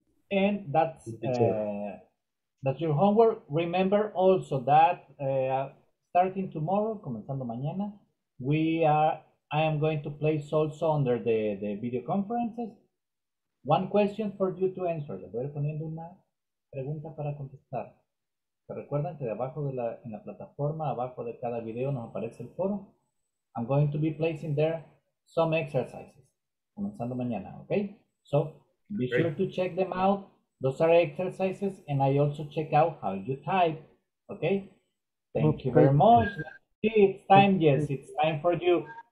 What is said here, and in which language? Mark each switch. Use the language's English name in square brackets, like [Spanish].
[English] And that's your homework. Remember also that starting tomorrow, [Spanish] comenzando mañana, [English] I am going to place also under the video conferences one question for you to answer. [Spanish] Le voy poniendo una pregunta para contestar. Recuerden que abajo de la plataforma, abajo de cada video nos aparece el foro. [English] I'm going to be placing there some exercises, [Spanish] comenzando mañana, [English] okay? So be sure to check them out. Those are exercises, and I also check out how you type, okay? Thank you very much. It's time, yes, it's time for you.